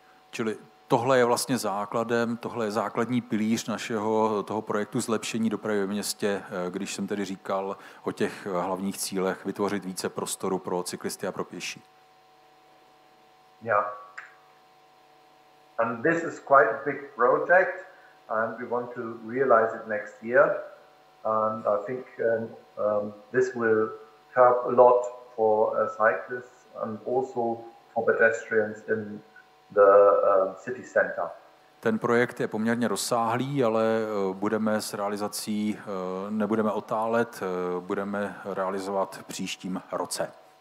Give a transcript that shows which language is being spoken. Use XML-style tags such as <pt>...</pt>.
<cs>Čili tohle je vlastně základem, tohle je základní pilíř našeho toho projektu zlepšení dopravy ve městě, když jsem tedy říkal o těch hlavních cílech vytvořit více prostoru pro cyklisty a pro pěší. Yeah.</cs> <en>And this is quite a big project and we want to realize it next year. And I think this will help a lot for cyclists and also for pedestrians in city center.</en> <cs>Ten projekt je poměrně rozsáhlý, ale budeme s realizací, nebudeme otálet, budeme realizovat v příštím roce.</cs>